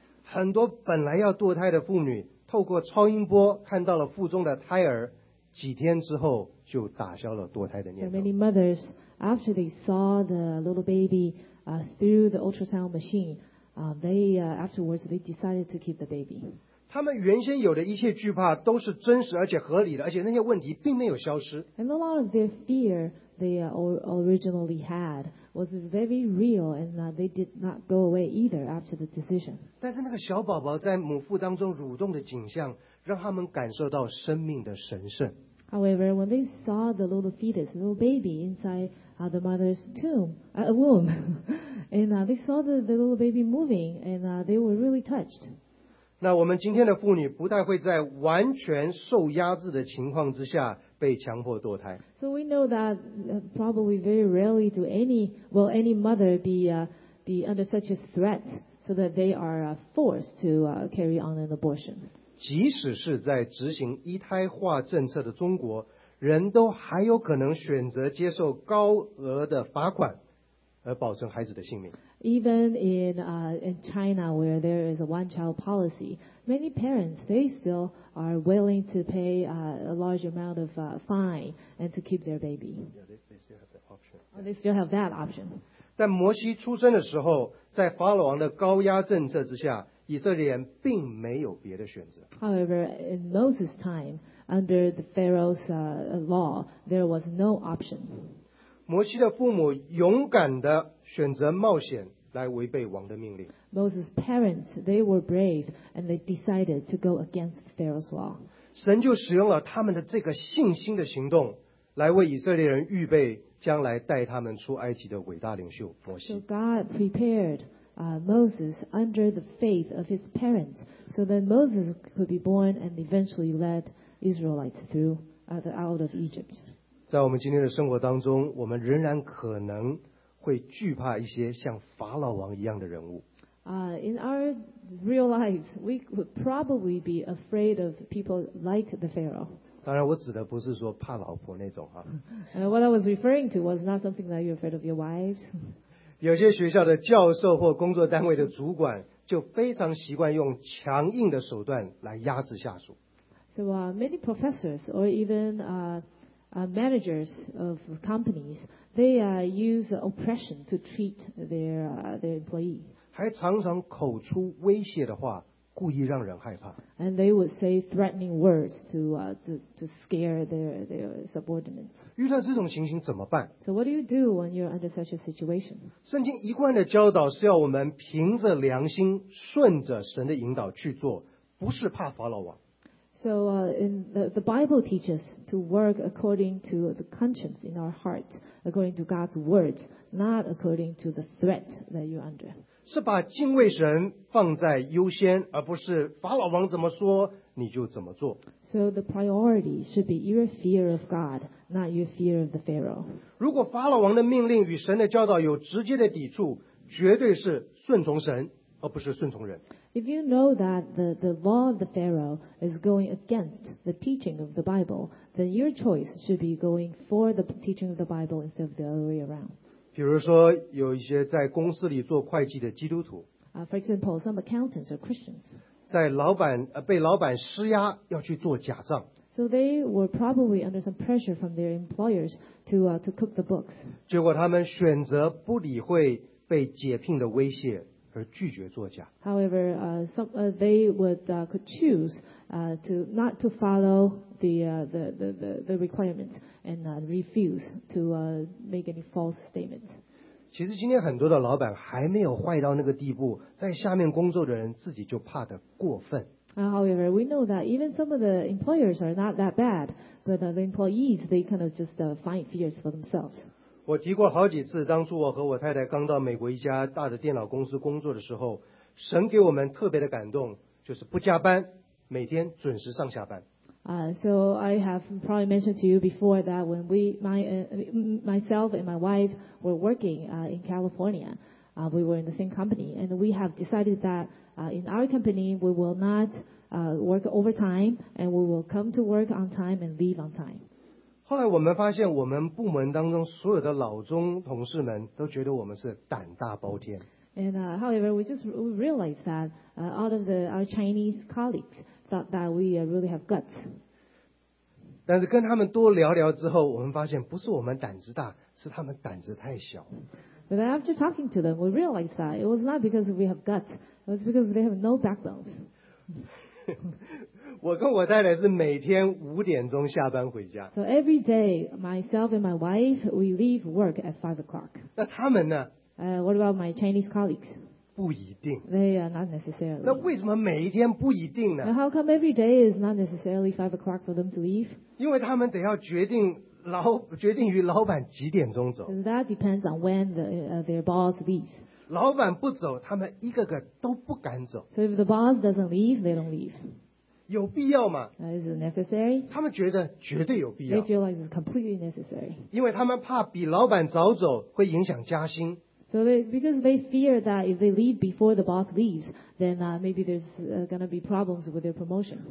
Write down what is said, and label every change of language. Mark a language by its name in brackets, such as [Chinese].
[Chinese] 很多本来要堕胎的妇女透过超音波看到了腹中的胎儿，几天之后就打消了堕胎的念头。 [English] So many mothers, after they saw the little babythrough the ultrasound machine, afterwards they decided to keep the baby. [Chinese] 他们原先有的一切惧怕都是真实而且合理的，而且那些问题并没有消失。 [English] And a lot of their fear they originally had was very real, and they did not go away either after the decision. [Chinese] 但是那个小宝宝在母腹当中蠕动的景象，让他们感受到生命的神圣。 [English] However, when they saw the little fetus, the little baby inside. The mother's tomb, womb, and they saw the little baby moving, and they were really touched. [Chinese] 那我们今天的妇女不太会在完全受压制的情况之下被强迫堕胎。 [English] So we know that probably very rarely do any mother be under such a threat so that they are forced to carry on an abortion. [Chinese] 即使是在执行一胎化政策的中国。人都还有可能选择接受高额的罚款而保存孩子的性命。 [English] Even in China where there is a one child policy, many parents they still are willing to pay a large amount of fine and to keep their baby. They still have that option. [Chinese] 但摩西出生的时候，在法老王的高压政策之下，以色列人并没有别的选择。 [English] However, in Moses' time,Under the Pharaoh's law, there was no option. [Chinese] 摩西的父母勇敢地选择冒险来违背王的命令。 [English] Moses' parents, they were brave and they decided to go against Pharaoh's law. [Chinese] 神就使用了他们的这个信心的行动来为以色列人预备将来带他们出埃及的伟大领袖摩西。 [English] So God prepared Moses under the faith of his parents so that Moses could be born and eventually led Israelites through out of Egypt. [Chinese] 在我们今天的生活当中，我们仍然可能会惧怕一些像法老王一样的人物。 [English] In our real lives, we would probably be afraid of people like the Pharaoh. [Chinese] 当然，我指的不是说怕老婆那种哈。 [English] What I was referring to was not something that you're afraid of your wives. [Chinese] 有些学校的教授或工作单位的主管就非常习惯用强硬的手段来压制下属。 [English] So many professors or even managers of companies, they use oppression to treat their employee. [Chinese] 还常常口出威胁的话，故意让人害怕。 [English] And they would say threatening words to scare their subordinates. [Chinese] 遇到这种情形怎么办？ [English] So what do you do when you're under such a situation? [Chinese] 圣经一贯的教导是要我们凭着良心，顺着神的引导去做，不是怕法老王。 [English] So the Bible teaches to work according to the conscience in our heart, according to God's words, not according to the threat that you're under. [Chinese] 是把敬畏神放在优先，而不是法老王怎么说你就怎么做。 [English] So the priority should be your fear of God, not your fear of the Pharaoh. [Chinese] 如果法老王的命令与神的教导有直接的抵触，绝对是顺从神，而不是顺从人。 [English] If you know that the law of the Pharaoh is going against the teaching of the Bible, then your choice should be going for the teaching of the Bible instead of the other way around. [Chinese] 比如说有一些在公司里做会计的基督徒。 [English] For example, some accountants are Christians. [Chinese] 在老板被老板施压要去做假账。 [English] So they were probably under some pressure from their employers to cook the books. [Chinese] 结果他们选择不理会被解聘的威胁。而拒绝作假。 [English] However, they would could choose to not to follow the requirements and refuse to make any false statements. [Chinese] 其实今天很多的老板还没有坏到那个地步，在下面工作的人自己就怕得过分。 [English] However, we know that even some of the employers are not that bad, but the employees they kind of just find fears for themselves. [Chinese] 我提过好几次，当初我和我太太刚到美国一家大的电脑公司工作的时候，神给我们特别的感动，就是不加班，每天准时上下班。 [English] So I have probably mentioned to you before that when we, myself and my wife were working in California, we were in the same company, and we have decided that. In our company, we will not work overtime, and we will come to work on time and leave on time. [Chinese] 后来我们发现，我们部门当中所有的老中同事们都觉得我们是胆大包天。 [English] And however, we realized that all of our Chinese colleagues thought that we really have guts. [Chinese] 但是跟他们多聊聊之后，我们发现不是我们胆子大，是他们胆子太小。 [English] But after talking to them, we realized that it was not because we have guts. It was because they have no backbones. [Chinese] 我跟我太太是每天五点钟下班回家。 [English] So every day, myself and my wife, we leave work at 5 o'clock. [Chinese] 那他们呢？ [English] What about my Chinese colleagues? [Chinese] 不一定。 [English] They are not necessarily. [Chinese] 那为什么每一天不一定呢？ [English] Now, how come every day is not necessarily 5 o'clock for them to leave? [Chinese] 因为他们得要决定于老板几点钟走。 [English] That depends on when their boss leaves. [Chinese] 老板不走，他们一个个都不敢走。 [English] So if the boss doesn't leave, they don't leave. [Chinese] 有必要吗？ [English] Is it necessary? [Chinese] 他们觉得绝对有必要。 [English] They feel like it's completely necessary. [Chinese] 因为他们怕比老板早走会影响加薪。 [English] So because they fear that if they leave before the boss leaves, then maybe there's going to be problems with their promotion.